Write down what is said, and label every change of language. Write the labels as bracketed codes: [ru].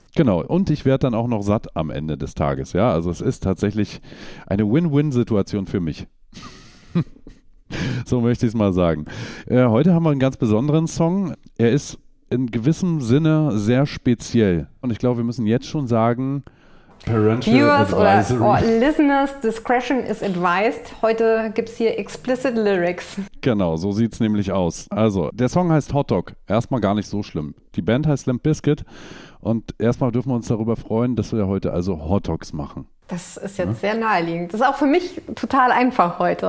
[de] Genau, und ich werde dann auch noch satt am Ende des Tages. Ja, also es ist tatsächlich eine Win-Win-Situation für mich. So möchte ich es mal sagen. Heute haben wir einen ganz besonderen Song. Er ist in gewissem Sinne sehr speziell. Und ich glaube, wir müssen jetzt schon sagen, [en] Parental Viewers Advisory. [de] Oder [en] Listeners, Discretion is advised. [de] Heute gibt es hier explicit Lyrics. Genau, so sieht es nämlich aus. Also, der Song heißt Hot Dog. Erstmal gar nicht so schlimm. Die Band heißt Limp Bizkit. Und erstmal dürfen wir uns darüber freuen, dass wir heute also Hot Dogs machen. Das ist jetzt sehr naheliegend. Das ist auch für mich total einfach heute.